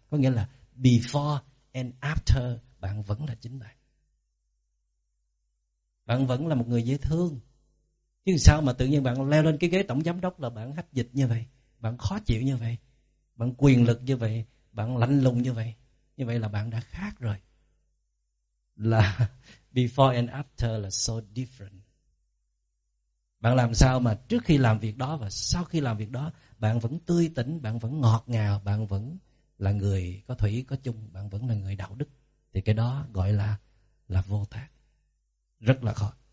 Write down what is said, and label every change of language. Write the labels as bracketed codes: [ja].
[vi] Có nghĩa là [en] before and after, [vi] bạn vẫn là chính bạn. bạn vẫn là một người dễ thương. Chứ sao mà tự nhiên bạn leo lên cái ghế tổng giám đốc là bạn hách dịch như vậy, bạn khó chịu như vậy, bạn quyền lực như vậy, bạn lạnh lùng như vậy. Như vậy là bạn đã khác rồi. Là [en] before and after [vi] là [en] so different. [vi] Bạn làm sao mà trước khi làm việc đó và sau khi làm việc đó bạn vẫn tươi tỉnh, bạn vẫn ngọt ngào, bạn vẫn là người có thủy có chung, bạn vẫn là người đạo đức. Thì cái đó gọi là vô tác. Rất là khó.